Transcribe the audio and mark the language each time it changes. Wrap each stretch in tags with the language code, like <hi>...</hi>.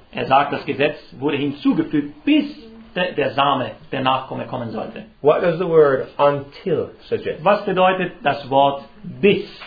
<de>Er sagt, das Gesetz wurde hinzugefügt, bis der Same, der Nachkomme, kommen sollte.</de> <en>What does the word until suggest?</en> <de>Was bedeutet das Wort bis?</de>